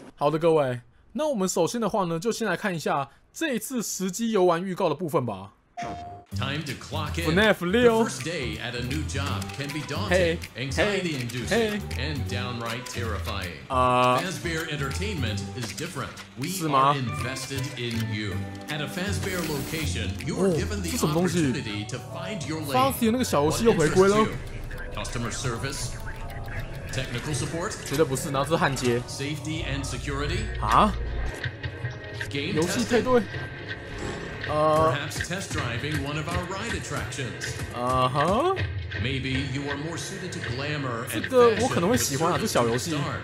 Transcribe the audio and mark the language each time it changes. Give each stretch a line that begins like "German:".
Chinese: 好的，各位，那我们首先的话呢，就先来看一下这一次实机游玩预告的部分吧。
English: Time to clock in. FNAF 6. First day at a new job can be daunting, anxiety-inducing, and downright terrifying. Fazbear Entertainment is different. We are invested in you. At a Fazbear location, you are given the opportunity to find your lane. What interests you? Customer service, technical support.
Chinese: 绝对不是，那是焊接。
English: Safety and security. 啊？
Chinese: 游戏配对。
English: Perhaps test driving one of our ride attractions. Maybe you are more suited to glamour and fashion.
Chinese: 这个我可能会喜欢啊，这小游戏。